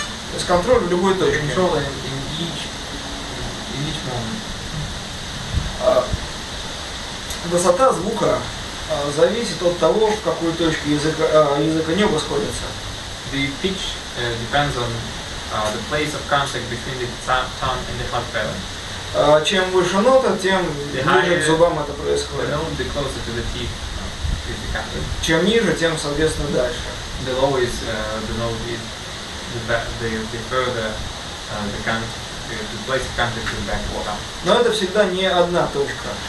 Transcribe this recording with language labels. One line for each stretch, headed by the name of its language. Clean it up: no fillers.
Russian: То есть контроль в любой точке.
English: Control in each moment.
Russian: Высота звука зависит от того, в какой точке языка неба сходится.
English: The pitch depends on the place of contact between the tongue and the hard palate.
Russian: Чем выше нота, тем ближе к зубам это происходит.
English: The note, the closer to the teeth is the contact.
Russian: Чем ниже, тем, соответственно, дальше.
English: The lower is the note, the further the contact, the place of contact is the back of the tongue.
Russian: Но это всегда не одна точка.